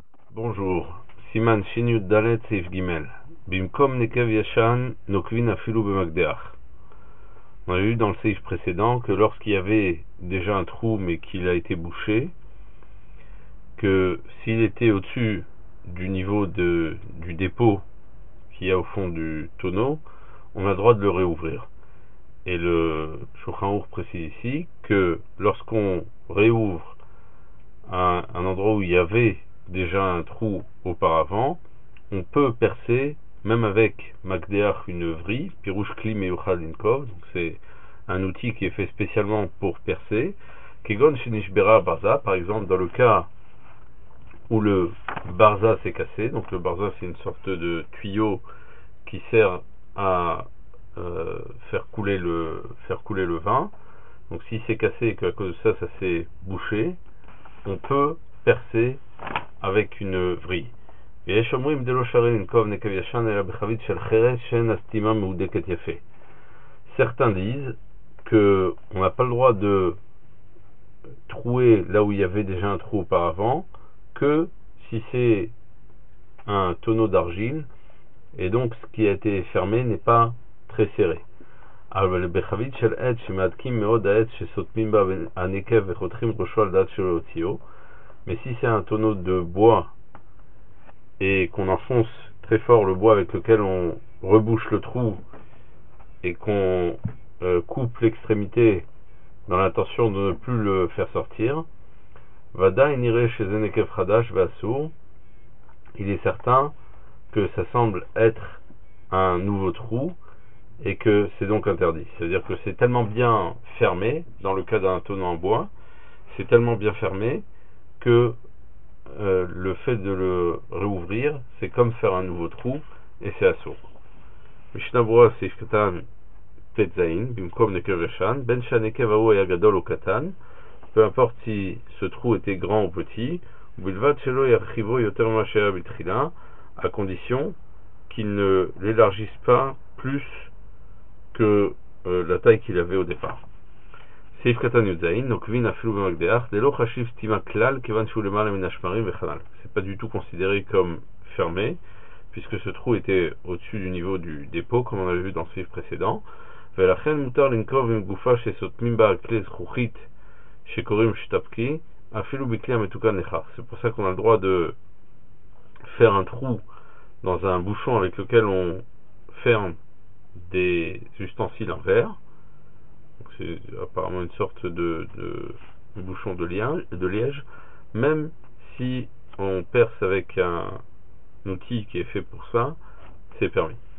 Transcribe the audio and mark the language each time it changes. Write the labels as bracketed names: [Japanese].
[Hebrew] בונג'ור, סימן שי"ד סעיף ג', במקום נקב ישן נוקבין אפילו במקדח. [French] On a vu dans le סעיף précédent que lorsqu'il y avait déjà un trou mais qu'il a été bouché, que s'il était au-dessus du niveau du dépôt qu'il y a au fond du tonneau, on a le droit de le réouvrir. Et le Shulchan Aruch précise ici que lorsqu'on réouvre un endroit où il y avait déjà un trou auparavant, on peut percer, même avec Magdeach, une vrille, [Hebrew] Pirouche Kli Meyuchad Linkov, [French] donc c'est un outil qui est fait spécialement pour percer, [Hebrew] Kegon Shenishbera Barza, [French] par exemple dans le cas où le Barza s'est cassé, donc le Barza c'est une sorte de tuyau qui sert à faire couler le vin, donc si c'est cassé et qu'à cause de ça, ça s'est bouché, on peut percer avec une vrille. [Hebrew] ויש אומרים דלא שרים לנקוב נקב ישן אלא בחבית של חרס שאין הסתימה מהודקת יפה. [French] Certains disent qu'on n'a pas le droit de trouer là où il y avait déjà un trou auparavant que si c'est un tonneau d'argile et donc ce qui a été fermé n'est pas très serré. [Hebrew] אבל בחבית של עץ שמעדקים מאוד העץ שסותמים בה הנקב וחותכים ראשו על דעת שלו להוציאו. [French] Mais si c'est un tonneau de bois et qu'on enfonce très fort le bois avec lequel on rebouche le trou et qu'on coupe l'extrémité dans l'intention de ne plus le faire sortir, il est certain que ça semble être un nouveau trou et que c'est donc interdit. C'est-à-dire que c'est tellement bien fermé, dans le cas d'un tonneau en bois, c'est tellement bien fermé que le fait de le réouvrir, c'est comme faire un nouveau trou, et c'est assur. Mishnah Brura Seif Katan Tetzain, [Hebrew] Bimkom Nekev Yashan, [French] Ben Shanekev Ahu Haya Gadol ou Katan, peu importe si ce trou était grand ou petit, [Hebrew] Bilvad Shelo Yarchivo Yoter Mashaya Bitchila, [French] à condition qu'il ne l'élargisse pas plus que la taille qu'il avait au départ. [Hebrew] סעיף קטן י"ז, נוקבין אפילו במקדח, ללא חשיב סתימה כלל, כיוון שהוא למעלה מן השמרים וכן הלאה. [French] זה pas du tout considéré comme fermé, puisque ce trou était au-dessus du niveau du dépôt, comme on avait vu dans le סעיף précédent. [Hebrew] ולכן מותר לנקוב עם גופה שסותמים בה כלי זכוכית שקוראים שטפקי, אפילו בכלי המתוקן לכך. [French] C'est pour ça qu'on a le droit de faire un trou dans un bouchon avec lequel on ferme des ustensiles en verre. C'est apparemment une sorte de bouchon de liège, même si on perce avec un outil qui est fait pour ça, c'est permis.